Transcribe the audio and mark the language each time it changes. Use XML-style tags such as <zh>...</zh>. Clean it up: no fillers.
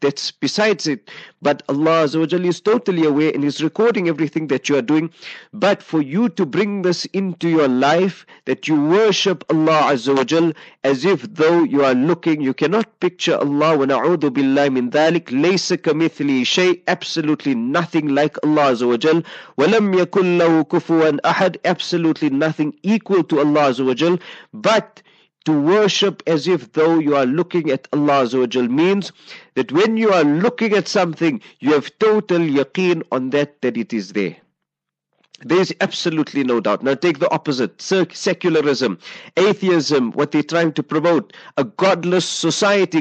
<en>That's besides it. But Allah Azza wa Jal is totally aware and is recording everything that you are doing. But for you to bring this into your life, that you worship Allah Azza wa Jal as if though you are looking, you cannot picture Allah, wa na'udhu billahi min that.</en> <ar>ذلك ليس كمثلي شيء,</ar> <en>absolutely nothing like Allah</en> <ar>عز وجل, ولم يكن له كفوا أحد,</ar> <en>absolutely nothing equal to Allah</en> <ar>عز وجل.</ar> <en>But to worship as if though you are looking at Allah عز وجل means that when you are looking at something, you have total yaqeen on that it is there. There is absolutely no doubt. Now take the opposite, secularism, atheism, what they're trying to promote, a godless society.</en>